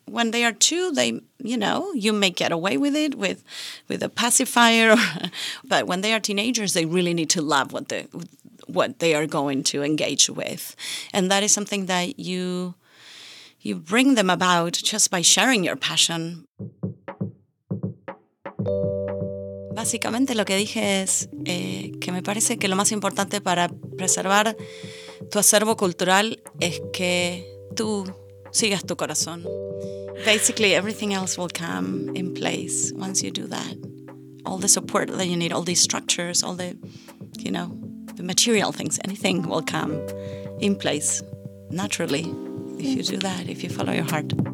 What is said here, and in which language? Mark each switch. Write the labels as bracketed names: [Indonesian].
[English] When they are two, you may get away with it with a pacifier. But when they are teenagers, they really need to love what they are going to engage with. And that is something that you bring them about just by sharing your passion. [Spanish] Básicamente lo que dije es que me parece que lo más importante para preservar tu acervo cultural es que tú sigas tu corazón. [English] Basically, everything else will come in place once you do that. All the support that you need, all these structures, all the, you know, the material things, anything will come in place naturally if you do that, if you follow your heart.